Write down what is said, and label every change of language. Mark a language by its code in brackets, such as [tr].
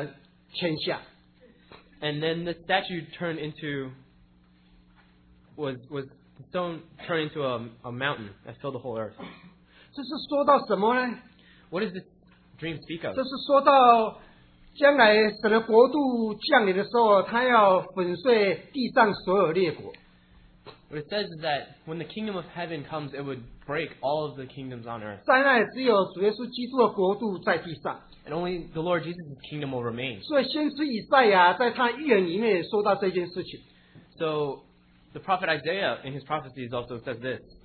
[zh] 而这一块石头呢，就变成一座大山，充满了天下。And [en] then the statue turned into was the stone turned into a mountain that filled the whole earth. [zh] 这是说到什么呢？ [en] What does this dream speak of? [zh] 这是说到将来神的国度降临的时候，他要粉碎地上所有列国。 [en] What it says is that when the kingdom of heaven comes, it would break all of the kingdoms on earth. And only the Lord Jesus' kingdom will remain. So the prophet Isaiah in his prophecies also says this.